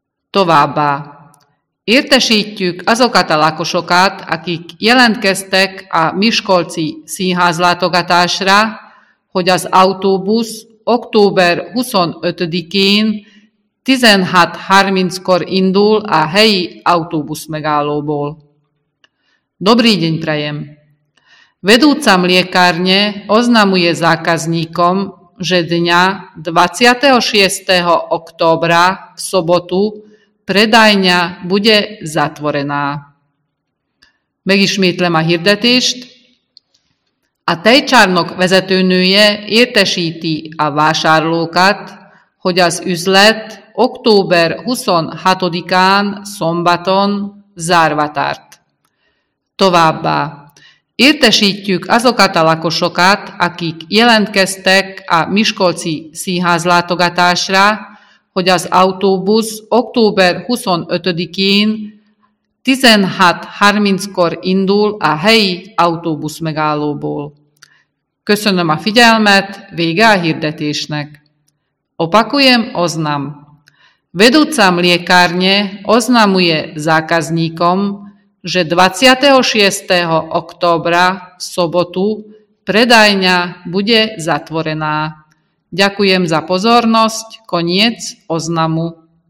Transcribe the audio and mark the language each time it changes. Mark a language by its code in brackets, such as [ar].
[hu] Továbbá értesítjük azokat a lakosokat, akik jelentkeztek a Miskolci színházlátogatásra, hogy az autóbusz október 25-én 16:30-kor indul a helyi autóbusz megállóból. [sk] Dobrý deň prajem. Vedúca mliekárne oznamuje zákazníkom, že dňa 26. októbra v sobotu predajňa bude zatvorená. [hu] Megismétlem a hirdetést. A tejcsárnok vezetőnője értesíti a vásárlókat, hogy az üzlet október 26-án szombaton zárva tart. Továbbá értesítjük azokat a lakosokat, akik jelentkeztek a Miskolci színházlátogatásra, hogy az autóbusz október 25-én 16:30-kor indul a helyi autóbusz megállóból. Köszönöm a figyelmet, vége a hirdetésnek. [sk] Opakujem oznam. Vedúca mliekárne oznamuje zákazníkom, že 26. októbra v sobotu predajňa bude zatvorená. Ďakujem za pozornosť. Koniec oznamu.